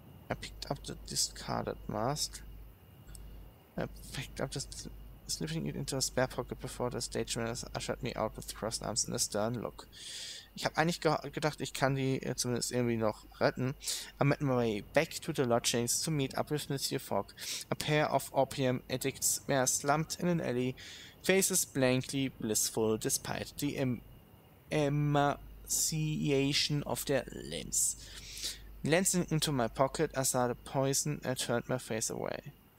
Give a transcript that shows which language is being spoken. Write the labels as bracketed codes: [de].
[en] I picked up the discarded mask. I picked up the slipping it into a spare pocket before the stage manager ushered me out with crossed arms and a stern look. [de] Ich habe eigentlich gedacht, ich kann die zumindest irgendwie noch retten. [en] I made my way back to the lodgings to meet up with Monsieur Fogg. A pair of opium addicts were slumped in an alley, faces blankly blissful despite the emaciation of their limbs. Glancing into my pocket, I saw the poison and turned my face away.